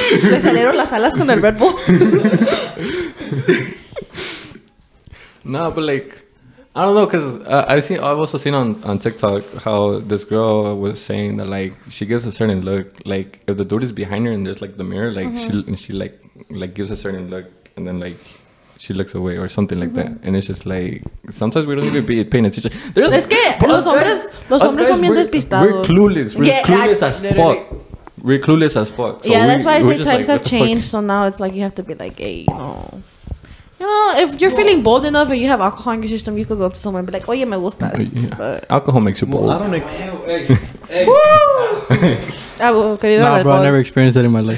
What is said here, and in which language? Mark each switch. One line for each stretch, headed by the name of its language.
Spanish: Le salieron las alas con el Red Bull.
English: No, but like, I don't know, because I've also seen on TikTok how this girl was saying that like she gives a certain look, like if the dude is behind her and there's like the mirror, like she gives a certain look and then like she looks away or something like that, and it's just like sometimes we don't even be paying attention.
Spanish: There's es que los hombres son bien despistados.
English: We're clueless as fuck. So yeah, that's why I say times have changed. So now it's like you have to be like, hey, you know. You know, if you're feeling bold enough and you have alcohol in your system, you could go up to someone and be like,
Spanish: oye, me gustas.
English: Yeah. Alcohol makes you bold. Well, I don't experience. Nah, bro, I never experienced that in my life.